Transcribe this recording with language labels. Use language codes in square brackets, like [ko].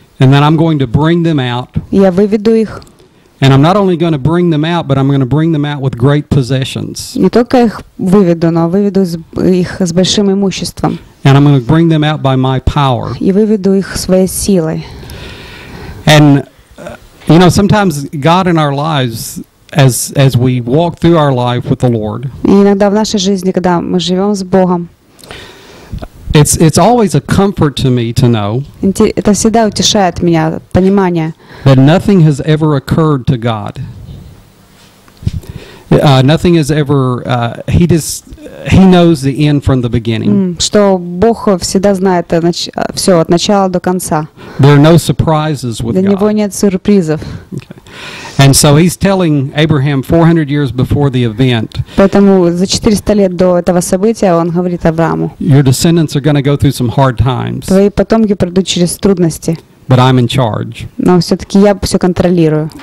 [en] And then I'm going to bring them out. [ru] Я выведу их. [en] And I'm not only going to bring them out, but I'm going to bring them out with great possessions. [ru] Не только их выведу, но выведу их с большим имуществом. [en] And I'm going to bring them out by my power. [ru] И выведу их своей силой. [en] And you know, sometimes God in our lives, as we walk through our life with the Lord. [ru] И иногда в нашей жизни, когда мы живем с Богом. [en] It's always a comfort to me to know. [ru] Это всегда утешает меня понимание. [en] That nothing has ever occurred to God. Nothing has ever he knows the end from the beginning. [ru] Что Бог всегда знает все от начала до конца. [en] There are no surprises with God. [ru] Для него нет сюрпризов. [en] And so he's telling Abraham 400 years before the event. [ru] Поэтому за 400 лет до этого события он говорит Аврааму. [en] Your descendants are going to go through some hard times. [ru] Твои потомки пройдут через трудности. [en] But I'm in charge. [ru] Но все-таки я все контролирую.